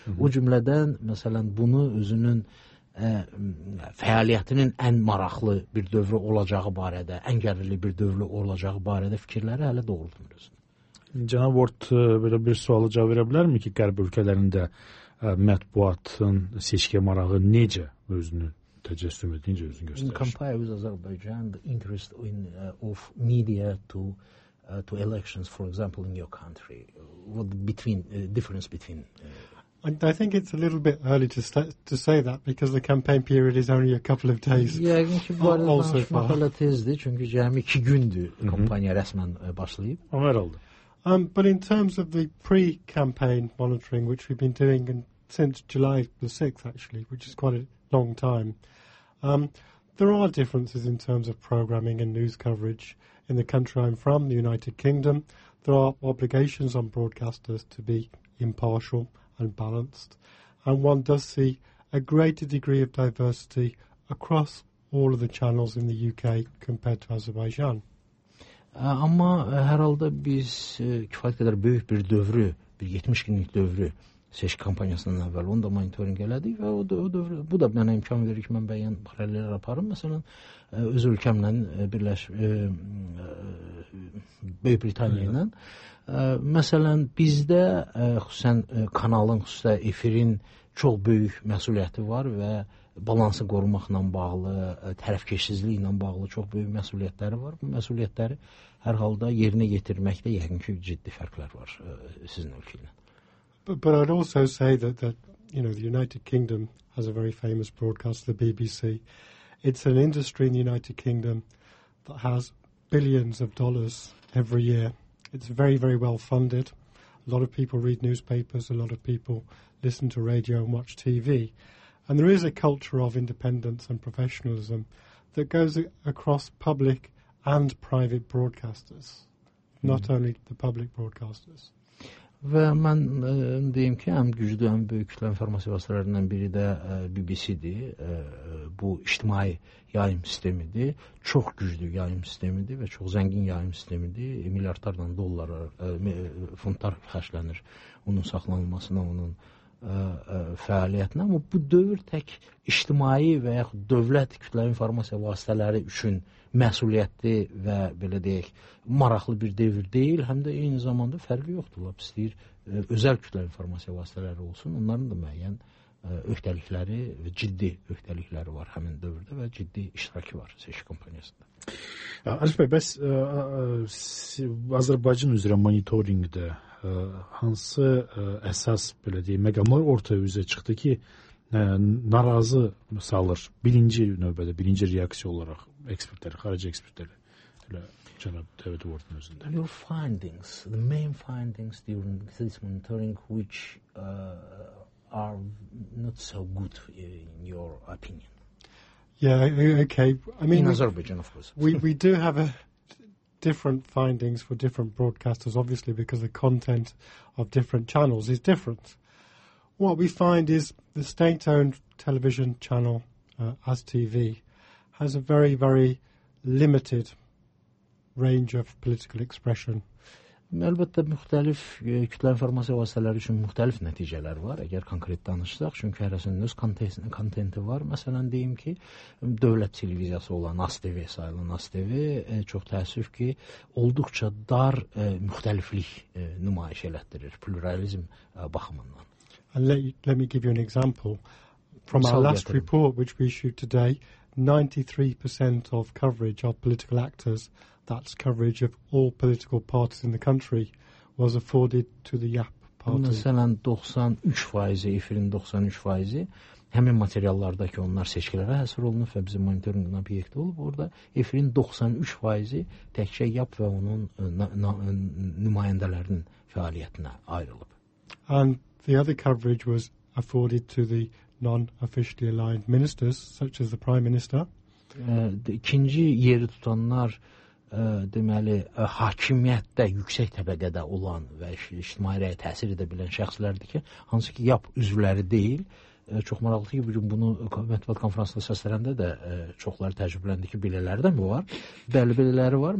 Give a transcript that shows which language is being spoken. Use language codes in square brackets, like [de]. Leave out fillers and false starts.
[az] O cümlədən, məsələn, bunu özünün fəaliyyətinin ən maraqlı bir dövrü olacağı barədə, ən gərili bir dövrü olacağı barədə fikirləri hələ doğrultmur. Cənab Ort, belə bir sualı cavab verə bilərmi ki, qərb ölkələrində mətbuatın seçki marağı necə özünü təcəssüm edir, necə özünü göstərir? [en] In compare with Azerbaijan, the interest in, of media to elections, for example, in your country, what between, difference between I think it's a little bit early to say that because the campaign period is only a couple of days. [az] Yəqin ki, bu arada danışmaq hələ tezdir, çünki cəmi 2 gündür kampaniya rəsmən başlayıb. Amma hər oldu. [en] But in terms of the pre-campaign monitoring, which we've been doing since July the 6th, actually, which is quite a long time, there are differences in terms of programming and news coverage in the country I'm from, the United Kingdom. There are obligations on broadcasters to be impartial and balanced, and one does see a greater degree of diversity across all of the channels in the UK compared to Azerbaijan. [az] Amma hər halda biz kifayət qədər böyük bir dövrü, bir 70 günlük dövrü seçki kampaniyasından əvvəl onu da monitoring elədik və bu da mənə imkan verir ki, mən bəyən paralellər aparım. Məsələn, öz ölkəmlə Böyük Britaniya ilə. Məsələn, bizdə xüsusən kanalın, xüsusən efirin çox böyük məsuliyyəti var və balansı qorumaqla bağlı, tərəfkeşsizliklə bağlı çox böyük məsuliyyətləri var. Bu məsuliyyətləri hər halda yerinə yetirməkdə yəqin ki, ciddi fərqlər var sizin ölkə ilə. [en] But I'd also say that you know, the United Kingdom has a very famous broadcast, the BBC. It's an industry in the United Kingdom that has billions of dollars every year. It's very, very well funded. A lot of people read newspapers, a lot of people listen to radio and watch TV. And there is a culture of independence and professionalism that goes across public and private broadcasters, not only the public broadcasters. [az] Və mən deyim ki, həm güclü, həm böyük kütlə informasiya vasitələrindən biri də BBC-dir. Bu, ictimai yayım sistemidir. Çox güclü yayım sistemidir və çox zəngin yayım sistemidir. Milyardlarla dollara, funtlar xərclənir onun saxlanılmasına, onun fəaliyyətinə. Amma bu dövr tək ictimai və yaxud dövlət kütlə informasiya vasitələri üçün məsuliyyətli və belə deyək maraqlı bir devir deyil, həm də eyni zamanda fərqi yoxdur. Lap istəyir özəl kütlə informasiya vasitələri olsun, onların da müəyyən öhdəlikləri və ciddi öhdəlikləri var həmin dövrdə və ciddi iştirakı var seçki kampaniyasında. Arif bəy, bəs Azərbaycan üzrə monitorinqdə hansı əsas belə deyək məqamlar ortaya üzə çıxdı ki, narazı salır birinci növbədə, birinci reaksiya olaraq ekspertləri, xarici ekspertləri elə cənab David Ward'ın özündə. [en] Your findings, the main findings during this monitoring, which are not so good in your opinion? Yeah, okay. I mean, in Azerbaijan, of course. We do have a different findings for different broadcasters, obviously, because the content of different channels is different. What we find is the state-owned television channel, AzTV, has a very, very limited range of political expression. [az] Əlbəttə, müxtəlif kütlə informasiya vasitələri üçün müxtəlif nəticələr var, əgər konkret danışsaq, çünki hərəsinin öz kontenti var. Məsələn, deyim ki, dövlət televiziyası olan AzTV sayılan AzTV çox təəssüf ki, olduqca dar müxtəliflik nümayiş elətdirir, pluralizm baxımından. [en] And let me give you an example. From our last report, which we issued today, 93% of coverage of political actors, that's coverage of all political parties in the country, was afforded to the YAP party. [az] Məsələn, 93%-i, efirin 93%-i həmin materiallardakı onlar seçkilərə həsr olunub və bizim monitorinqin obyekti olub. Orada efirin 93%-i təkcə YAP və onun nümayəndələrinin fəaliyyətinə ayrılıb. [en] And the other coverage was afforded to the non-officially aligned ministers, such as the Prime Minister. [az] İkinci yeri tutanlar, deməli, hakimiyyətdə yüksək təbəqədə olan və ictimaiyyə təsir edə bilən şəxslərdir ki, hansı ki, YAP üzvləri deyil. Çox maraqlı ki, bugün bunu mətbuat konferansında səsləndə də çoxları təcrübələndi ki, belələri də mi var? Bəli, belələri var.